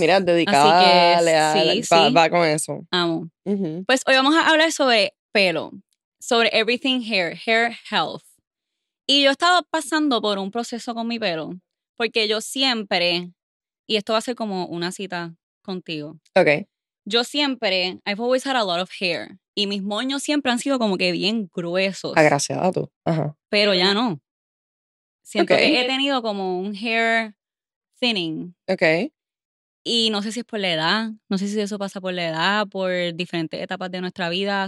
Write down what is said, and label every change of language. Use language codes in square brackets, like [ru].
[es] Mira, dedicada, así que, leal, va con eso. Amo. Uh-huh. Pues hoy vamos a hablar sobre pelo, sobre [en] everything hair, hair health. [es] Y yo estaba pasando por un proceso con mi pelo, porque yo siempre, y esto va a ser como una cita contigo. Okay. Yo siempre, [en] I've always had a lot of hair. [es] Y mis moños siempre han sido como que bien gruesos. Agraciada tú. Ajá. Pero ya no. Siento okay. Que he tenido como un hair thinning. Ok. Y no sé si es por la edad. No sé si eso pasa por la edad, por diferentes etapas de nuestra vida.